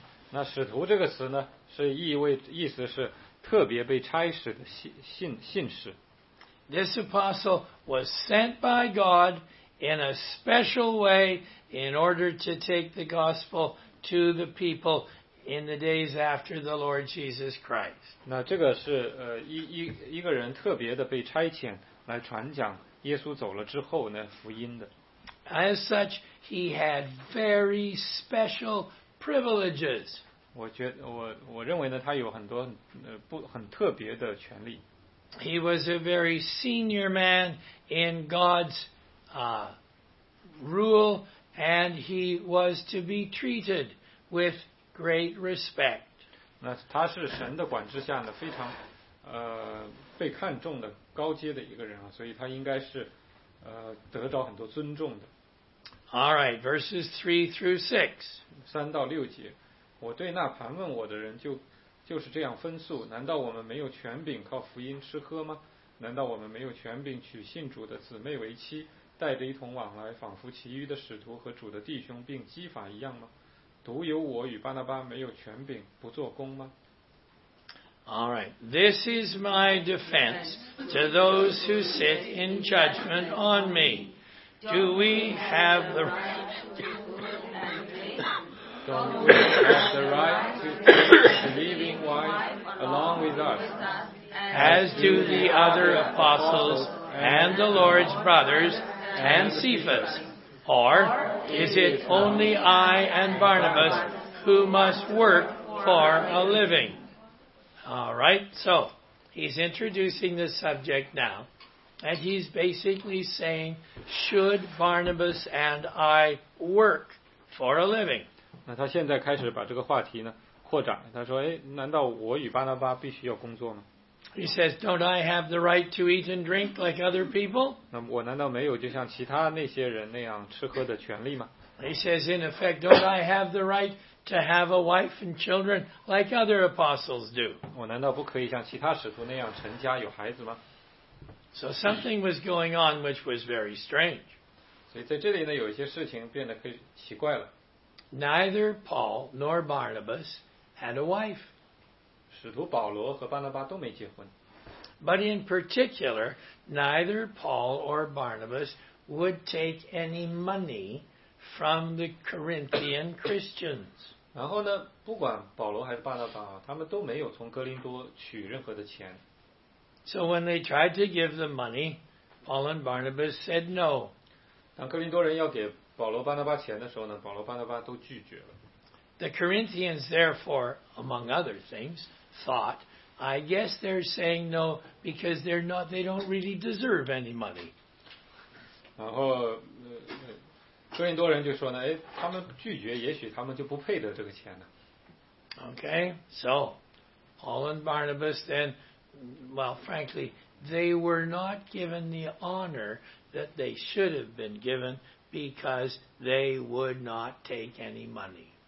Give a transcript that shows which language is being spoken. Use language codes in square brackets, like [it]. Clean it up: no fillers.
[zh] 那使徒这个词呢，是意思是特别被差使的信使。 [en] This apostle was sent by God in a special way in order to take the gospel to the people in the days after the Lord Jesus Christ. [zh] 那这个是一个人特别的被差遣来传讲耶稣走了之后呢福音的。 [en] As such, he had very special privileges. [zh] 我认为呢他有很多很特别的权利。 [en] He was a very senior man in God's rule, and he was to be treated with great respect. [zh] 那他是神的管制下的非常被看重的高阶的一个人啊，所以他应该是得到很多尊重的。 [en] All right, verses 3-6. [zh] 三到六节，我对那盘问我的人就是这样分诉，难道我们没有权柄靠福音吃喝吗？难道我们没有权柄娶信主的姊妹为妻，带着一同往来，仿佛其余的使徒和主的弟兄并基法一样吗？独有我与巴拿巴没有权柄不做工吗？ [en] All right, this is my defense to those who sit in judgment on me. Do we have the Don't we have the right to take a believing wife along with us, as do the other apostles and the Lord's brothers and Cephas? Or is it only I and Barnabas who must work for a living? All right, so he's introducing the subject now, and he's basically saying, should Barnabas and I work for a living? [zh] 那他现在开始把这个话题呢扩展，他说，哎，难道我与巴拿巴必须要工作吗？ [en] He says, don't I have the right to eat and drink like other people? [zh] 那我难道没有就像其他那些人那样吃喝的权利吗？ [en] He says, in effect, don't I have the right to have a wife and children like other apostles do? [zh] 我难道不可以像其他使徒那样成家有孩子吗？ [en] So something was going on which was very strange. [zh] 所以在这里呢，有一些事情变得很奇怪了。 [en] Neither Paul nor Barnabas had a wife. [zh] 使徒保罗和巴拿巴都没结婚。 [en] But in particular, neither Paul or Barnabas would take any money from the Corinthian Christians. [zh] 然后呢，不管保罗还是巴拿巴，他们都没有从哥林多取任何的钱。 [en] So when they tried to give them money, Paul and Barnabas said no. [zh] 当哥林多人要给保罗巴拿巴钱的时候呢，保罗巴拿巴都拒绝了。 [en] The Corinthians therefore, among other things, thought, I guess they're saying no because they don't really deserve any money. [zh] 然后哥林多人就说呢，哎，他们拒绝，也许他们就不配得这个钱呢。 [en] Okay, so Paul and Barnabas then, well, frankly, they were not given the honor that they should have been given because they would not take any money.